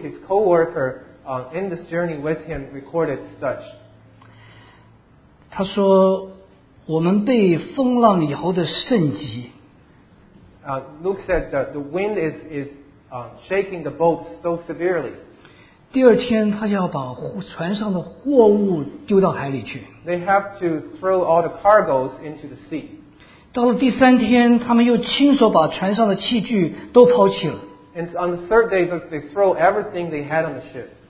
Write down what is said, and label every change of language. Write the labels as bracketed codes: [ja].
[en] his co-worker, in this journey with him, recorded such. [zh] 他说, 我们被风浪摇的甚急。 [en] Luke said that the wind is shaking the boat so severely. [zh] 第二天他要把船上的货物丢到海里去。 [en] They have to throw all the cargoes into the sea. [zh] 到了第三天，他们又亲手把船上的器具都抛弃了。 [en] And on the third day, they throw everything they had on the ship.